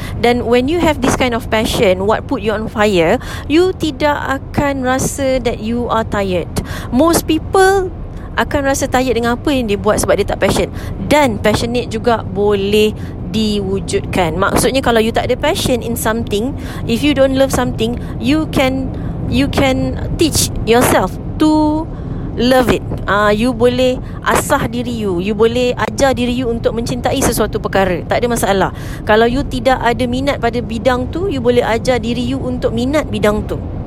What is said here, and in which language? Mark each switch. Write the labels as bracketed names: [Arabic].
[English] Then when you have this kind of passion, what put you on fire, you [Malay] tidak akan rasa [English] that you are tired. Most people [Malay] akan rasa [English] tired [Malay] dengan apa yang dia buat sebab dia tak passion. Dan passionate juga boleh diwujudkan. Maksudnya kalau [English] you [Malay] tak ada [English] passion in something, if you don't love something, you can teach yourself to love it. [Malay] You boleh asah diri you, you boleh ajar diri you untuk mencintai sesuatu perkara. Tak ada masalah. Kalau you tidak ada minat pada bidang tu, you boleh ajar diri you untuk minat bidang tu.